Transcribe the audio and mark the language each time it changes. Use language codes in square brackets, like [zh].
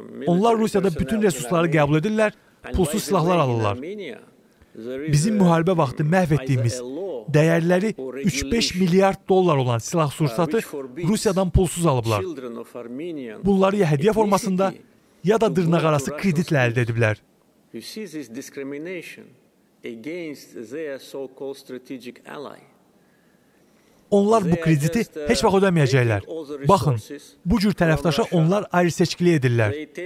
[az] Onlar Rusiyada bütün resursları qəbul edirlər, pulsuz silahlar alırlar. Bizim müharibə vaxtı məhv etdiyimiz, dəyərləri 3-5 milyard dollar olan silah-sursatı Rusiyadan pulsuz alıblar. Bunları ya hədiyə formasında, ya da dırnaqarası kreditlə əldə ediblər. [en] You see this discrimination against their so-called strategic ally. [az] Onlar bu krediti heç vaxt ödəməyəcəklər. Baxın, bu cür tərəfdaşa onlar ayrı seçkiliyə edirlər.